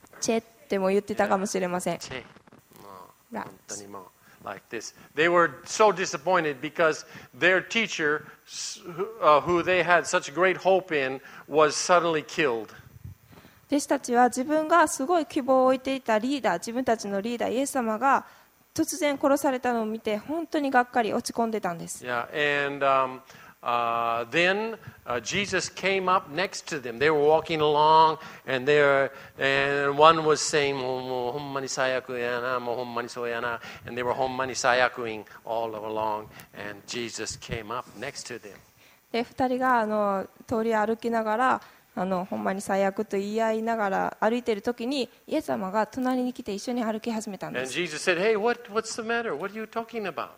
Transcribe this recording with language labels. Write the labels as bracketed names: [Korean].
[Japanese] チェっても言ってたかもしれません。チェ。もう本当にもう [English] like this. They were so disappointed because their teacher, who they had such great hope in, was suddenly killed. [Japanese] 弟子たちは自分がすごい希望を置いていたリーダー、自分たちのリーダー、イエス様が突然殺されたのを見て、本当にがっかり落ち込んでたんです。 [English] Yeah, and, then, Jesus came up next to them. They were walking along, and one was saying, [Japanese] もうほんまに最悪やな、もうほんまにそうやな。 [English] And they were [Japanese] ほんまに最悪 [English] in all along, and Jesus came up next to them. [Japanese] で、二人があの通り歩きながら、あのほんまに最悪と言い合いながら歩いているときにイエス様が隣に来て一緒に歩き始めたんです。 [English] Said, hey, what's the matter? What are you talking about?